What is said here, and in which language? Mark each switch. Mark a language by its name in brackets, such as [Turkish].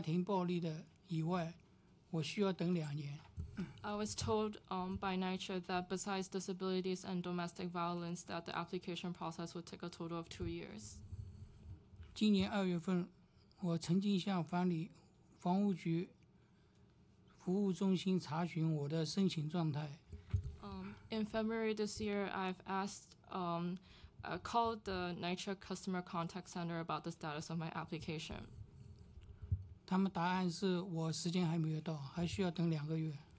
[Chinese] 房屋局也给我了答复，说我是除了残障跟家庭暴力的以外，我需要等2年。 [English] I was told by NYCC that besides disabilities and domestic violence, that the application process would take a total of 2 years. [Chinese] 今年2月份，我曾经向房屋局服务中心查询我的申请状态。 [English] In February this year, I've asked, called the NYCC Customer Contact Center about the status of my application. [Chinese] 他们答案是我时间还没有到，还需要等2个月。